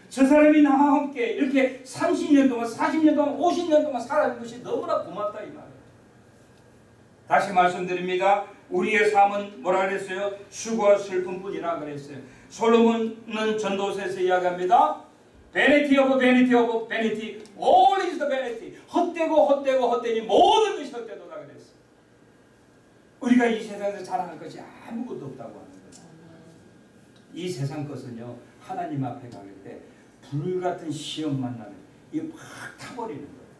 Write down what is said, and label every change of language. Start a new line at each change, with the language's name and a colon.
Korean: 저 사람이 나와 함께 이렇게 30년 동안, 40년 동안, 50년 동안 살아온 것이 너무나 고맙다 이 말이에요. 다시 말씀드립니다. 우리의 삶은 뭐라 그랬어요? 수고와 슬픔 뿐이라 그랬어요. 솔로몬은 전도서에서 이야기합니다.
English: Vanity of vanity of vanity. All is the vanity.
Korean: 헛되고 헛되고 헛되니 모든 것이 헛되도다 그랬어요. 우리가 이 세상에서 자랑할 것이 아무것도 없다고 하는 거예요. 이 세상 것은요, 하나님 앞에 갈 때 불같은 시험 만나면 이게 확 타버리는 거예요.